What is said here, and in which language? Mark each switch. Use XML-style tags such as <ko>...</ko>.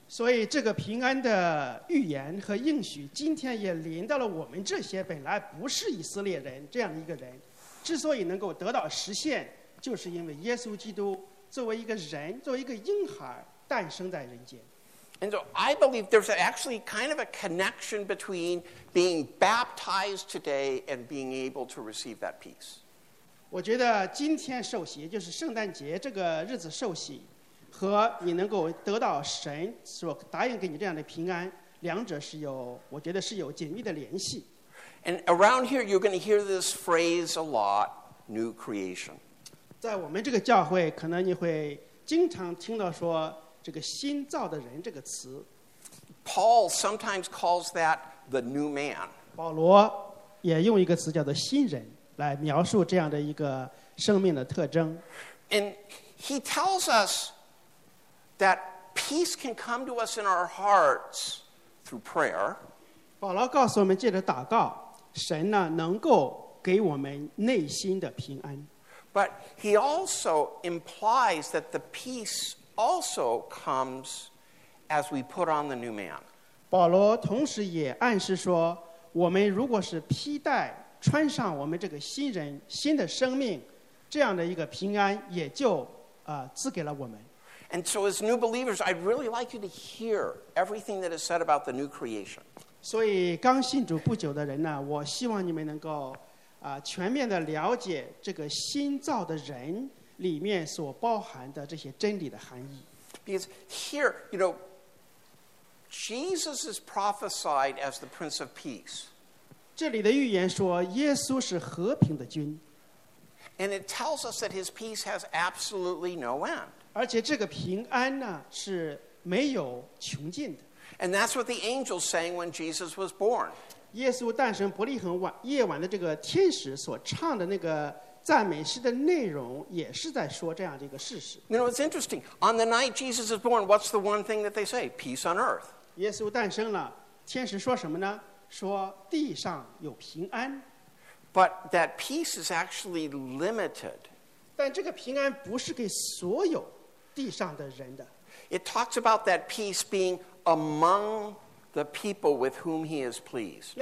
<zh>所以这个平安的预言和应许今天也临到了我们这些本来不是以色列人这样的一个人，之所以能够得到实现，就是因为耶稣基督作为一个人，作为一个婴孩诞生在人间。</zh> <en>And so I believe there's actually kind of a connection between being baptized today and being able to receive that peace.</en> <zh>我觉得今天受洗，就是圣诞节这个日子受洗，和你能够得到神所答应给你这样的平安，两者是有，我觉得是有紧密的联系。</zh> <en>And around here you're going to hear this phrase a lot, new creation.</en> <zh>在我们这个教会，可能你会经常听到说这个新造的人这个词。</zh> <en>Paul sometimes calls that the new man.</en> <zh>保罗也用一个词叫做新人来描述这样的一个生命的特征。</zh> <en>And he tells us that peace can come to us in our hearts through prayer.</en> <zh>保罗告诉我们借着祷告，神呢能够给我们内心的平安。</zh> <en>But he also implies that the peace also comes as we put on the new man.</en> <zh>保罗同时也暗示说，我们如果是披戴穿上我们这个新人新的生命，这样的一个平安也就赐给了我们。</zh> <en>And so as new believers, I'd really like you to hear everything that is said about the new creation.</en> <zh>所以刚信主不久的人呢，我希望你们能够全面的了解这个新造的人里面所包含的这些真理的含义。</zh> <en>Because here, you know, Jesus is prophesied as the Prince of Peace.</en> <zh>这里的预言说耶稣是和平的君。</zh> <en>And it tells us that his peace has absolutely no end.</en> <zh>而且这个平安呢是没有穷尽的。</zh> <en>And that's what the angels sang when Jesus was born.</en> <zh>耶稣诞生伯利恒夜晚的这个天使所唱的那个赞美诗的内容也是在说这样的一个事实。</zh> <en>You know, it's interesting. On the night Jesus is born, what's the one thing that they say? Peace on earth.</en> <zh>耶稣诞生了，天使说什么呢？说地上有平安。</zh> <en>But that peace is actually limited.</en> <zh>但这个平安不是给所有地上的人的。</zh> <en>It talks about that peace being among the people with whom he is pleased.</en>